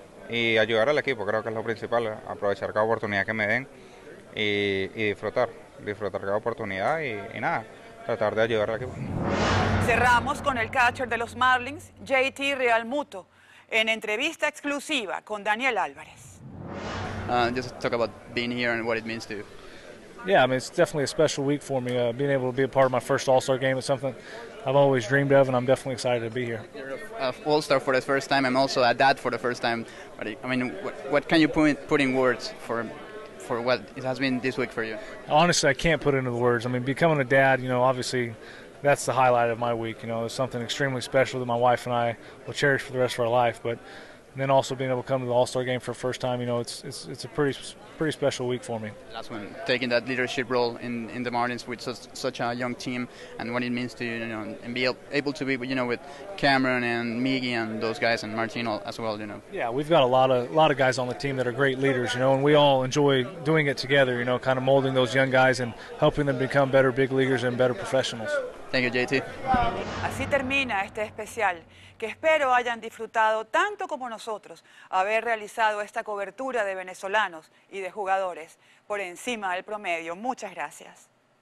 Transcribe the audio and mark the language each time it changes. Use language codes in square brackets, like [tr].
[es] Y ayudar al equipo creo que es lo principal, aprovechar cada oportunidad que me den y disfrutar cada oportunidad y nada, tratar de ayudar al equipo. Cerramos con el catcher de los Marlins, JT Realmuto, en entrevista exclusiva con Daniel Álvarez. [en] Just talk about being here and what it means to you. Yeah, I mean, it's definitely a special week for me. Being able to be a part of my first All-Star game is something I've always dreamed of, and I'm definitely excited to be here. You're an All-Star for the first time. I'm also a dad for the first time. But I mean, what can you put in words for what it has been this week for you? Honestly, I can't put it into words. I mean, becoming a dad, you know, obviously, that's the highlight of my week. You know, it's something extremely special that my wife and I will cherish for the rest of our life, but... And then also being able to come to the All-Star game for the first time, you know, it's a pretty special week for me. Last one, taking that leadership role in the Marlins with such a young team and what it means to you, you know, and be able to be, you know, with Cameron and Miggy and those guys and Martino as well, you know. Yeah, we've got a lot of guys on the team that are great leaders, you know, and we all enjoy doing it together, you know, kind of molding those young guys and helping them become better big leaguers and better professionals. Thank you, JT. [es] Así termina este especial, que espero hayan disfrutado tanto como nosotros haber realizado esta cobertura de venezolanos y de jugadores por encima del promedio. Muchas gracias.